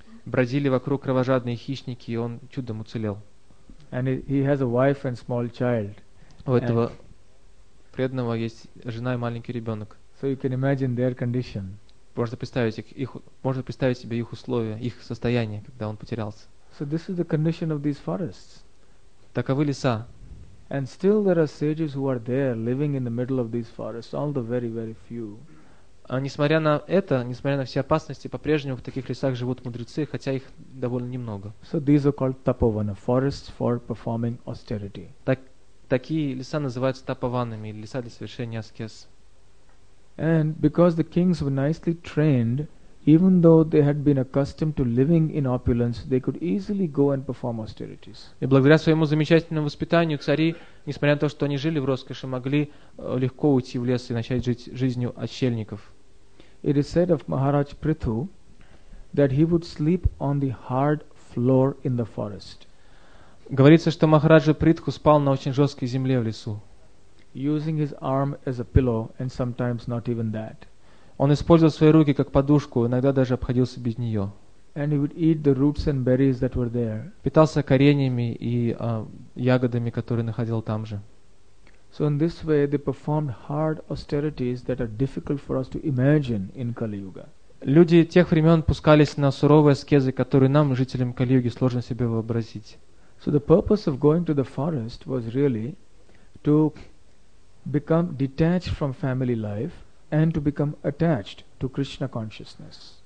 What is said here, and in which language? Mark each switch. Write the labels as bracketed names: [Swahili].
[Russian] Бродили вокруг кровожадные хищники, и он чудом уцелел. [English] And he has a wife and small child. [Russian] У этого преданного есть жена и маленький ребенок. [English] So you can imagine their condition. [Russian] Можно представить себе их условия, их состояние, когда он потерялся. [English] So this is the condition of these forests. [Russian] Таковы леса. [English] And still there are sages who are there, living in the middle of these forests, all the very, very few. [Russian] А несмотря на это, несмотря на все опасности, по-прежнему в таких лесах живут мудрецы, хотя их довольно немного. [English] So these are called tapovana, forests for performing austerity. [Russian] Такие леса называются тапаванами, или леса для совершения аскез. [English] And because the kings were nicely trained, even though they had been accustomed to living in opulence, they could easily go and perform austerities. [Russian] И благодаря своему замечательному воспитанию цари, несмотря на то, что они жили в роскоши, могли легко уйти в лес и начать жить жизнью отшельников. [English] It is said of Maharaj Prithu that he would sleep on the hard floor in the forest. [Russian] Говорится, что Махараджа Притху спал на очень жесткой земле в лесу. [English] Using his arm as a pillow, and sometimes not even that. [Russian] Он использовал свои руки как подушку, иногда даже обходился без нее. [English] And he would eat the roots and berries that were there. [Russian] Питался кореньями и ягодами, которые находил там же. [English] So in this way, they performed hard austerities that are difficult for us to imagine in Kali-Yuga. [Russian] Люди тех времен пускались на суровые аскезы, которые нам, жителям Кали-Юги, сложно себе вообразить. [English] So the purpose of going to the forest was really to become detached from family life and to become attached to Krishna consciousness.